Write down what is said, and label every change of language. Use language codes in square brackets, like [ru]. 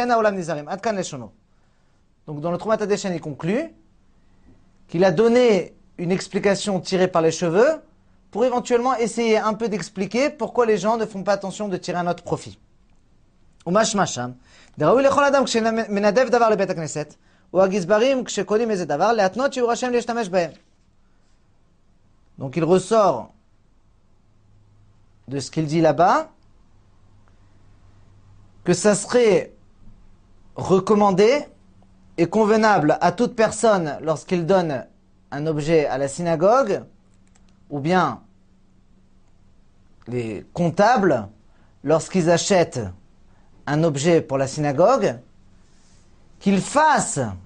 [fr] Donc dans le Trumat HaDeshen, il conclut qu'il a donné une explication tirée par les cheveux pour éventuellement essayer un peu d'expliquer pourquoi les gens ne font pas attention de tirer un autre profit. [he] ומשמשם, דראוי לכל אדם כשמנדב דבר לבית הכנסת, או הגזברים כשקודים איזה דבר, להתנות שיעור השם להשתמש בהם. [fr] Donc il ressort de ce qu'il dit là-bas, que ça serait recommandé et convenable à toute personne lorsqu'il donne un objet à la synagogue, ou bien les comptables, lorsqu'ils achètent un objet pour la synagogue, qu'il fasse